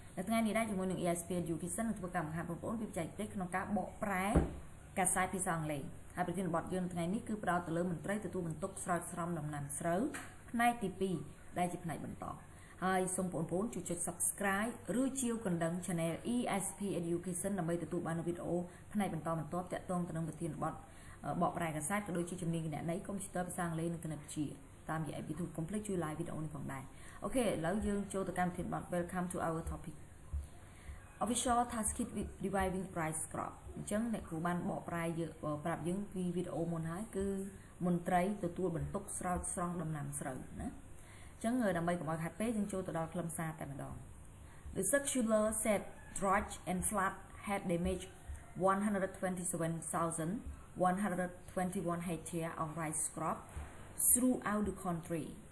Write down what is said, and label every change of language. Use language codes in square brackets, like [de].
[km] ថ្ងៃនេះដែរជាមួយនឹង ESP Education នឹងធ្វើការបង្ហាញបងប្អូនពីបច្ចេកទេសក្នុងការបកប្រែកាសែតភាសាអង់គ្លេសហើយប្រធានបទយើងថ្ងៃនេះគឺផ្ដោតទៅលើមន្ត្រីទទួលបន្ទុកស្រោចស្រពដំណាំស្រូវផ្នែកទី2ដែលជាផ្នែកបន្តហើយសូមបងប្អូនជួយចុច Subscribe ឬ Chiêu កណ្ដឹង Channel ESP Education ដើម្បីទទួលបានវីដេអូផ្នែកបន្តបន្ទាប់ទាក់ទងទៅនឹងប្រធានបទ បកប្រែកាសែតក៏ដូចជាជំនាញគណនេយ្យកុំព្យូទ័រភាសាអង់គ្លេសនិងគណិតវិទ្យា តាម YouTube complete ជួយ live វីដេអូនេះផងដែរ Okay, ឥឡូវ យើង ចូល ទៅ កម្មវិធី [en] Welcome to our topic. Official task kit with reviving rice crop. [km] អញ្ចឹង អ្នក គ្រូ បាន បក ប្រែ យើង ប្រាប់ យើង ពី វីដេអូ មុន ហើយ គឺ មន្ត្រី ទទួល បន្ទុក ស្រោច ស្រង់ ដំណាំ ស្រូវ ណា អញ្ចឹង ដើម្បី កុំ ឲ្យ ខាត់ ពេក យើង ចូល ទៅ ដល់ ខ្លឹមសារ តែ ម្ដង. [en] The circular said drought and flood had damaged 127,121 hectares of rice crop throughout the country.